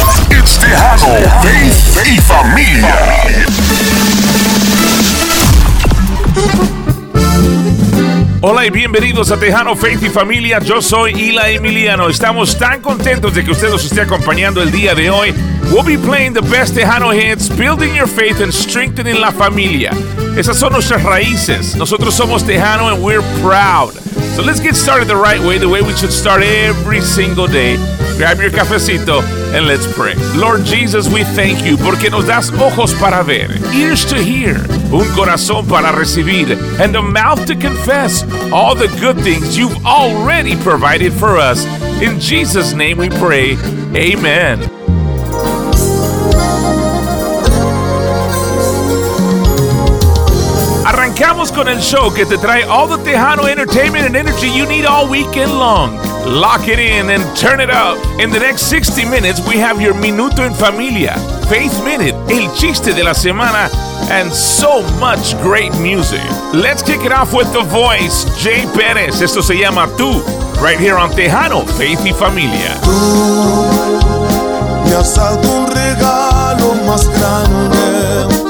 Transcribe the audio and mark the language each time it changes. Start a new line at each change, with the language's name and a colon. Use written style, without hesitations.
English: It's Tejano, Faith y Familia.
Spanish: Hola y bienvenidos a Tejano, Faith y Familia. Yo soy Ila Emiliano. Estamos tan contentos de que usted nos esté acompañando el día de hoy.
English: We'll be playing the best Tejano hits, building your faith and strengthening
Spanish: la familia. Esas son nuestras raíces. Nosotros somos Tejano
English: and we're proud. So let's get started the right way, the way we should start every single day. Grab your cafecito and let's pray. Lord Jesus, we thank you
Spanish: porque nos das ojos para ver,
English: ears to hear,
Spanish: un corazón para recibir,
English: and a mouth to confess all the good things you've already provided for us. In Jesus' name we pray. Amen.
Spanish: Arrancamos con el show que te trae
English: all the Tejano entertainment and energy you need all weekend long. Lock it in and turn it up. In the next 60 minutes, we have your Minuto en Familia, Faith Minute, El Chiste de la Semana, and so much great music. Let's kick it off with The Voice, Jay Perez.
Spanish: Esto se llama Tú,
English: right here on
Spanish: Tejano, Faith y Familia. Tú, me has dado un regalo más grande.